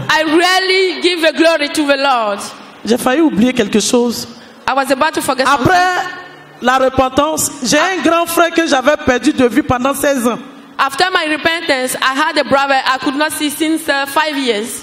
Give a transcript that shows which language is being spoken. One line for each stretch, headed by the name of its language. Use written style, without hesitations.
English: I really give the glory to the Lord.
French: J'ai failli oublier quelque chose.
English: I was about to forget.
French: Après
English: something.
French: La repentance, j'ai un grand frère que j'avais perdu de vue pendant 16 ans.
English: After my repentance, I had a brother I could not see since 5 years.